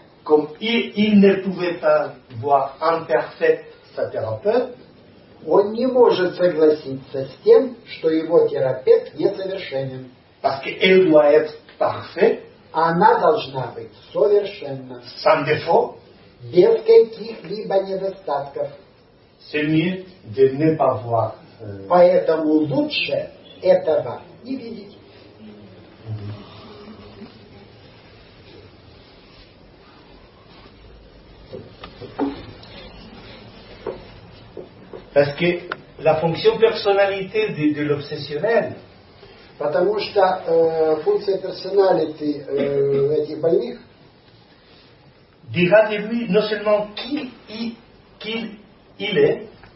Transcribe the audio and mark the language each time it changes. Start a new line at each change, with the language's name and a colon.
French: Comme il ne pouvait pas voir imparfait sa thérapeute,
Russian: он не может согласиться с тем, что его терапевт несовершенен.
French: Parce qu'elle doit être parfaite.
Russian: Она должна быть совершенна.
French: Sans défaut.
Russian: Без каких-либо недостатков.
French: C'est mieux de ne pas voir.
Russian: Поэтому лучше этого не видеть.
French: Parce que la fonction personnalité de l'obsessionnel.
Russian: Потому что функция персоналити этих больных
French: dira de lui non seulement qu'il il est,